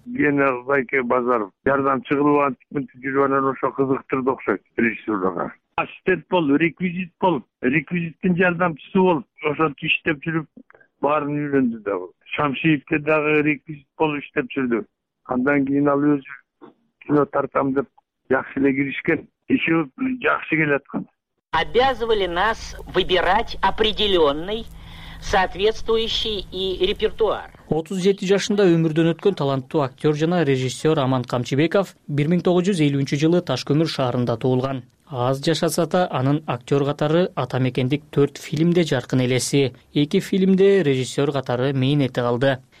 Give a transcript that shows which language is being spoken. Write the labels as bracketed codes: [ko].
[ky] Гена Зайке Базаров, жардамчы кылып антип-минтип жүрүп анан ошо кызыктырды окшойт режиссёрлорго. Ассистент болуп, реквизит болуп, реквизиттин жардамчысы болуп, ошол иштеп жүрүп, баарын үйрөндү да бул. Шамшиевке дагы реквизит болуп иштеп жүрдү. Андан кийин ал өзү кино тартам деп жакшы эле киришкен. Иши жакшы келаткан. [ru] Обязывали нас выбирать определенный соответствующий и репертуар. [ky] 37 жашында өмүрдөн өткөн таланттуу актёр жана режиссёр Аман Камчыбеков 1953 жылы Ташкөмүр шаарында туулган. Аз жашаса да анын актёр катары ата мекендик 4 фильмде жаркын элеси, 2 фильмде режиссёр катары мээн эте калды.